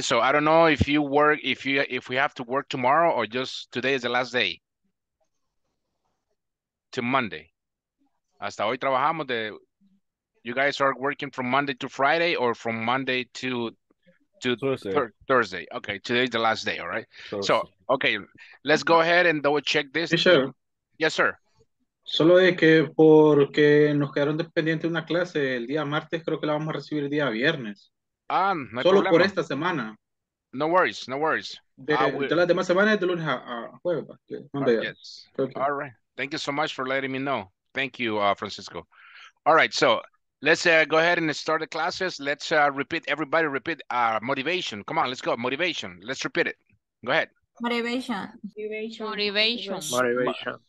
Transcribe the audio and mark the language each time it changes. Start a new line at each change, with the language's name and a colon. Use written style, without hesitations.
English: So I don't know if you work, if we have to work tomorrow, or just today is the last day to Monday.
Spanish: Hasta hoy trabajamos de,
English: you guys are working from Monday to Friday, or from Monday to Thursday. Okay, today is the last day, all right? Thursday. So, okay, let's go ahead and double check this. Yes, sir. Yes, sir.
Spanish: Solo es que porque nos quedaron dependientes de una clase el día martes, creo que la vamos a recibir el día viernes. Ah, no hay problema. Solo por esta semana.
English: No worries, no worries.
Spanish: De las demás semanas, de lunes a jueves.
English: Okay. Yes. All right. Thank you so much for letting me know. Thank you, Francisco. All right, so let's go ahead and start the classes. Let's repeat, everybody repeat our motivation. Come on, let's go. Motivation. Let's repeat it. Go ahead. Motivation. Motivation. Motivation.